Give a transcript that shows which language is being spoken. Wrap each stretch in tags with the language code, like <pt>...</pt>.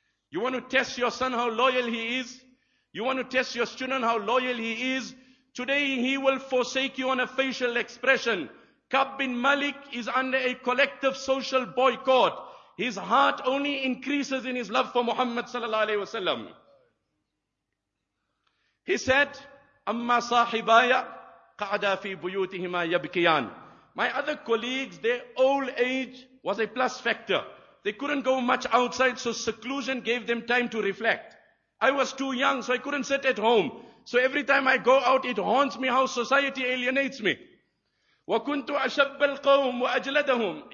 <en>You want to test your son how loyal he is? You want to test your student how loyal he is? Today he will forsake you on a facial expression. Ka'b bin Malik is under a collective social boycott. His heart only increases in his love for Muhammad sallallahu alayhi wa sallam. He said,</en> <ar>أَمَّا صَاحِبَايَ قَعَدَا فِي بُيُوتِهِمَا يَبْكِيَانَ.</ar> <en>My other colleagues, their old age was a plus factor. They couldn't go much outside, so seclusion gave them time to reflect. I was too young, so I couldn't sit at home. So every time I go out, it haunts me how society alienates me.</en> <ar>وَكُنْتُ أَشَبَّ الْقَوْمُ وَأَجْلَدَهُمْ.</ar>